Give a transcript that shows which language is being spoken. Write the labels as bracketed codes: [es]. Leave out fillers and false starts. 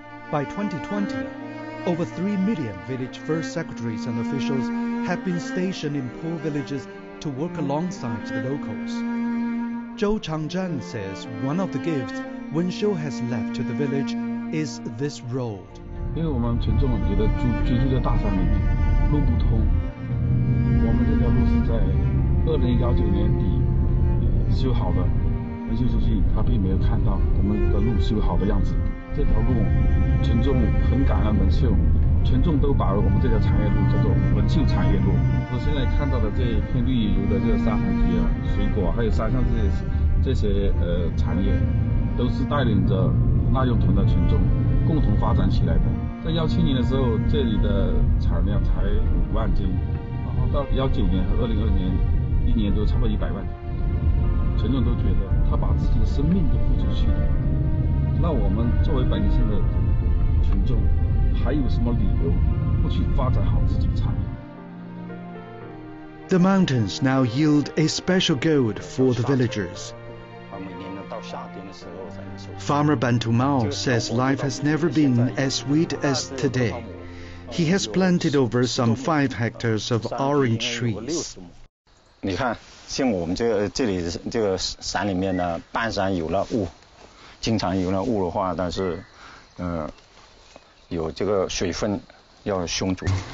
[en] By 2020, over 3 million village first secretaries and officials have been stationed in poor villages to work alongside the locals. Zhou Changzhan says one of the gifts Wenxiu has left to the village is this road. Because we all think that we live in the big mountains, the road is not connected. Our road was in the end of 2019. [zh] 修好的，文秀书记他并没有看到我们的路修好的样子。这条路，群众很感恩文秀，群众都把我们这条产业路叫做文秀产业路。我现在看到的这一片绿油油的这个沙糖皮啊、水果还有山上这些产业，都是带领着腊肉屯的群众共同发展起来的。在2017年的时候，这里的产量才5万斤，然后到2019年和2020年，一年都差不多100万斤。群众都觉得他把自己的生命都付出去了，那我们作为百姓的群众，还有什么理由不去发展好自己的产业？ [en] The mountains now yield a special gold for the villagers. [zh] 每年到夏天的时候才能收。 [en] Farmer Bantu Mao says life has never been as sweet as today. He has planted over some 5 hectares of orange trees. [zh] 你看。像我们这里这个山里面呢，半山有了雾，经常有了雾的话，但是，有这个水分要充足。